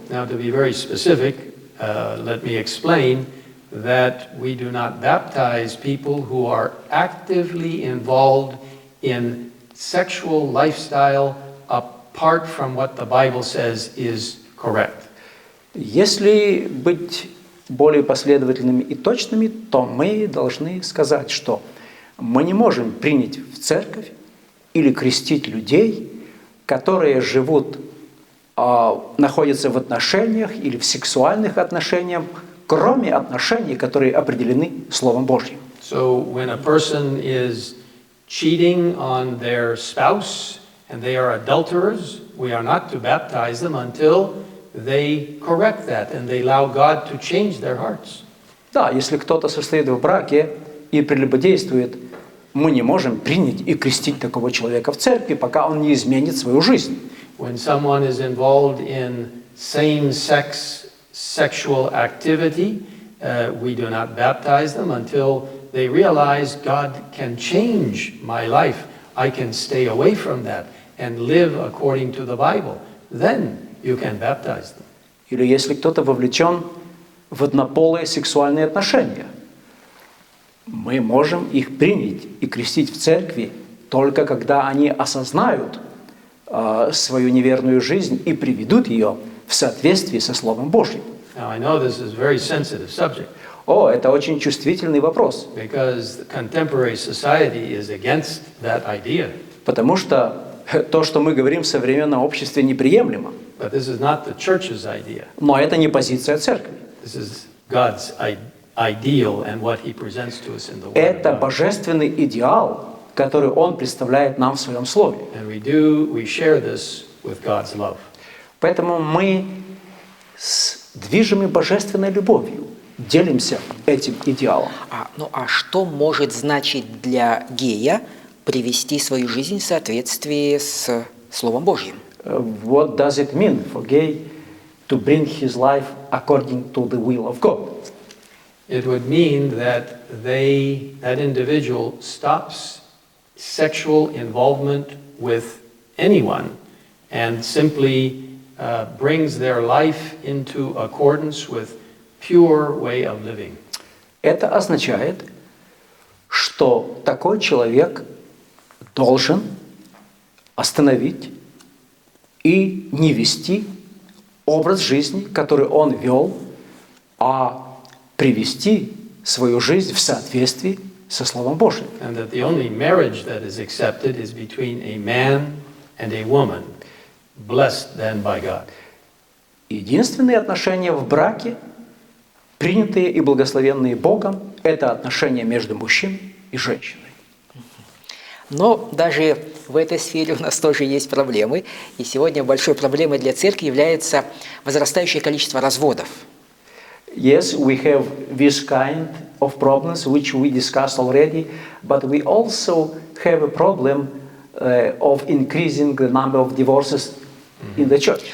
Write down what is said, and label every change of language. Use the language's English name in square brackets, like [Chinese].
[English] Now, to be very specific, let me explain that we do not baptize people who are actively involved in sexual lifestyle apart from what the Bible says is correct. [Russian] Если быть более последовательными и точными, то мы должны сказать, что мы не можем принять в церковь или крестить людей, которые живут, находятся в отношениях или в сексуальных отношениях, кроме отношений, которые определены Словом Божьим. [English] So when a person is cheating on their spouse and they are adulterers, we are not to baptize them until they correct that and they allow God to change their hearts. [Russian] Да, если кто-то состоит в браке и прелюбодействует, Мы не можем принять и крестить такого человека в церкви, пока он не изменит свою жизнь. [English] When someone is involved in same-sex sexual activity, we do not baptize them until they realize God can change my life. I can stay away from that and live according to the Bible. Then you can baptize them. [Russian] Или если кто-то вовлечен в однополые сексуальные отношения, мы можем их принять и крестить в церкви только когда они осознают свою неверную жизнь и приведут ее в соответствии со Словом Божьим. [English] Now, I know this is a very sensitive subject. [Russian] О, это очень чувствительный вопрос. [English] Because the contemporary society is against that idea. [Russian] Потому что то, что мы говорим в современном обществе, неприемлемо. [English] But this is not the church's idea. [Russian] Но это не позиция церкви. [English] This is God's ideal and what he presents to us in the word. [Russian] Это божественный идеал, который он представляет нам в своем слове. [English] And we do, we share this with God's love. [Russian] Поэтому мы с движимой божественной любовью делимся этим идеалом. А что может значить для гея привести свою жизнь в соответствии с Словом Божьим? [English] What does it mean for gay to bring his life according to the will of God? It would mean that that individual stops sexual involvement with anyone and simply brings their life into accordance with pure way of living. [Russian] Это означает, что такой человек должен остановить и не вести образ жизни, который он вел, а привести свою жизнь в соответствии со Словом Божьим. [English] And that the only marriage that is accepted is between a man and a woman, blessed then by God. [Russian] Единственные отношения в браке, принятые и благословенные Богом, это отношения между мужчиной и женщиной. Но даже в этой сфере у нас тоже есть проблемы. И сегодня большой проблемой для церкви является возрастающее количество разводов. [English] Yes, we have this kind of problems, which we discussed already, but we also have a problem of increasing the number of divorces in the church.